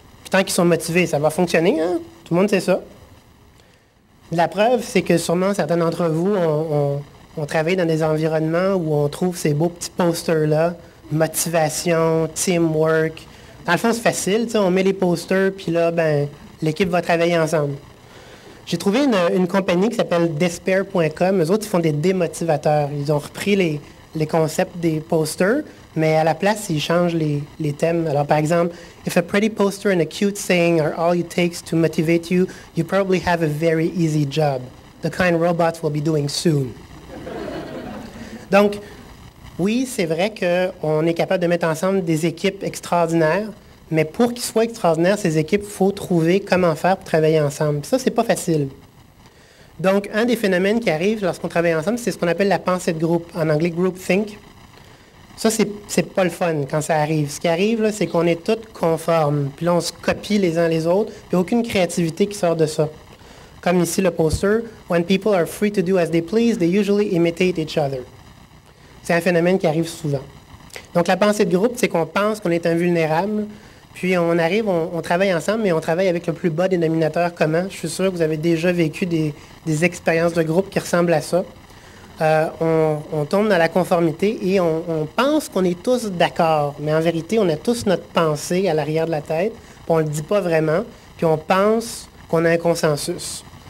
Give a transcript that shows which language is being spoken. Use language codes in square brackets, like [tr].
[fr] Puis tant qu'ils sont motivés, ça va fonctionner, hein? Tout le monde sait ça. » La preuve, c'est que sûrement certains d'entre vous ont travaillé dans des environnements où on trouve ces beaux petits posters-là, motivation, teamwork. Dans le fond, c'est facile, tu sais, on met les posters, puis là, ben l'équipe va travailler ensemble. J'ai trouvé une compagnie qui s'appelle Despair.com. Eux autres, ils font des démotivateurs. Ils ont repris les concepts des posters, mais à la place, ils changent les thèmes. Alors, par exemple, [en] « If a pretty poster and a cute saying are all it takes to motivate you, you probably have a very easy job. The kind robots will be doing soon. [fr] » Donc, oui, c'est vrai qu'on est capable de mettre ensemble des équipes extraordinaires. Mais pour qu'ils soient extraordinaires, ces équipes, il faut trouver comment faire pour travailler ensemble. Ça, c'est pas facile. Donc, un des phénomènes qui arrive lorsqu'on travaille ensemble, c'est ce qu'on appelle la pensée de groupe, en anglais « groupthink ». Ça, c'est pas le fun quand ça arrive. Ce qui arrive, là, c'est qu'on est tous conformes, puis là, on se copie les uns les autres, puis aucune créativité qui sort de ça. Comme ici le poster, [en] « When people are free to do as they please, they usually imitate each other ». [fr] C'est un phénomène qui arrive souvent. Donc, la pensée de groupe, c'est qu'on pense qu'on est invulnérable, puis on arrive, on travaille ensemble, mais on travaille avec le plus bas dénominateur commun. Je suis sûr que vous avez déjà vécu des expériences de groupe qui ressemblent à ça. On tombe dans la conformité et on pense qu'on est tous d'accord, mais en vérité, on a tous notre pensée à l'arrière de la tête, puis on ne le dit pas vraiment, puis on pense qu'on a un consensus.